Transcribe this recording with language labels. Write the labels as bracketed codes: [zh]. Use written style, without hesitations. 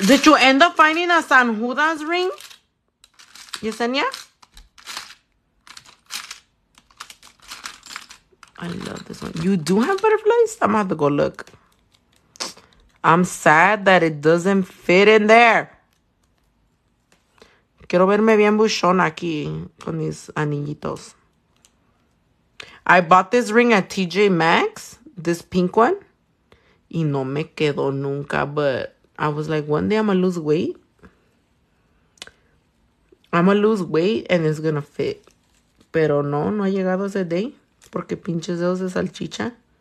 [en] Did you end up finding a San Judas ring, Yesenia? I love this one. You do have butterflies? I'm going to have to go look. I'm sad that it doesn't fit in there. [es] Quiero verme bien buchona aquí con mis anillitos. [en] I bought this ring at TJ Maxx, this pink one. [es] Y no me quedó nunca, [en] but I was like, one day I'm going to lose weight. I'm going to lose weight and it's going to fit. [es] Pero no, no ha llegado ese day. Porque pinches dedos de salchicha.